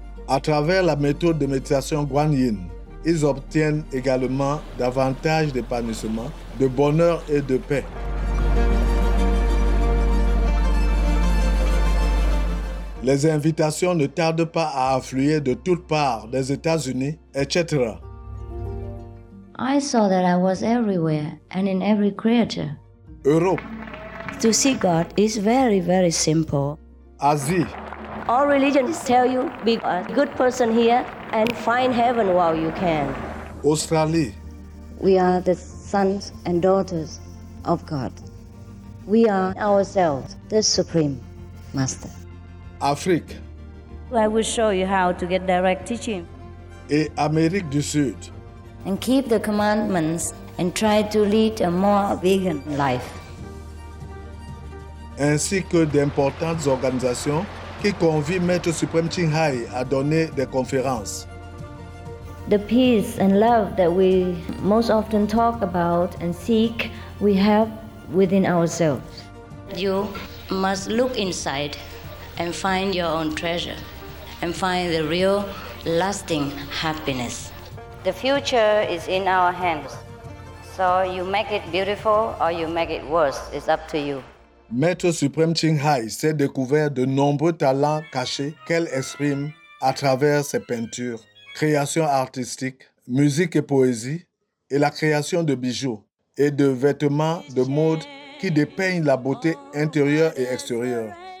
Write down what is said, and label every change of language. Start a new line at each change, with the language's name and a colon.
French: À travers la méthode de méditation Guan Yin, ils obtiennent également davantage d'épanouissement, de bonheur et de paix. Les invitations ne tardent pas à affluer de toutes parts, des États-Unis, etc.
English: I saw that I was everywhere and in every creature.
French: Europe.
English: To see God is very, very simple.
French: Asie.
English: All religions tell you, be a good person here and find heaven while you can.
French: Australie.
English: We are the sons and daughters of God. We are ourselves the Supreme Master.
French: Afrique.
English: I will show you how to get direct teaching.
French: Et Amérique du Sud.
English: And keep the commandments and try to lead a more vegan life.
French: Ainsi que d'importantes organisations qui convient Maître Suprême Chinh Hai à donner des conférences.
English: The peace and love that we most often talk about and seek, we have within ourselves. You must look inside and find your own treasure and find the real lasting happiness. The future is in our hands. So you make it beautiful or you make it worse, it's up to you.
French: Maître Suprême Chinh Hai s'est découvert de nombreux talents cachés qu'elle exprime à travers ses peintures, créations artistiques, musique et poésie, et la création de bijoux et de vêtements de mode qui dépeignent la beauté intérieure et extérieure.